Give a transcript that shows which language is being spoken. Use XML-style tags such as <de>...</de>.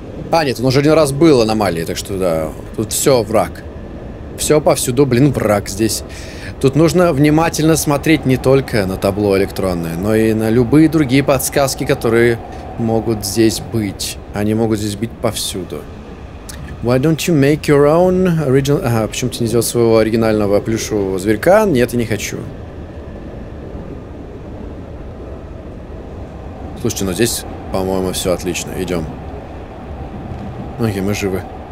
<ru>А, нет, он уже один раз был аномалией, так что да. Тут все враг. Все повсюду, блин, враг здесь. Тут нужно внимательно смотреть не только на табло электронное, но и на любые другие подсказки, которые могут здесь быть. Они могут здесь быть повсюду.</ru> <en>Why don't you make your own original...</en> <ru>Ага, почему ты не сделал своего оригинального плюшевого зверька? Нет, я не хочу. Слушайте, ну здесь, по-моему, все отлично. Идем. Окей, мы живы.</ru>